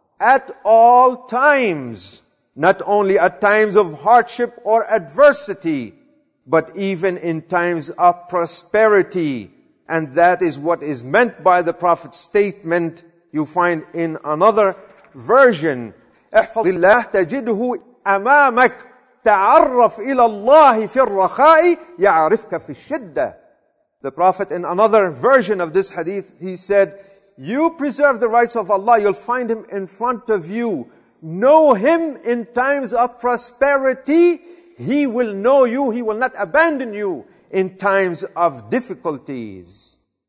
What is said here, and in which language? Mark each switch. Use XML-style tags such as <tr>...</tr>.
<en>At all times, not only at times of hardship or adversity, but even in times of prosperity. And that is what is meant by the Prophet's statement you find in another version.</en> <ar>احفظ الله تجده أمامك تعرف إلى الله في الرخاء يعرفك في الشدة.</ar> <en>The Prophet in another version of this hadith, he said, you preserve the rights of Allah, you'll find Him in front of you. Know Him in times of prosperity, He will know you, He will not abandon you in times of difficulties.</en>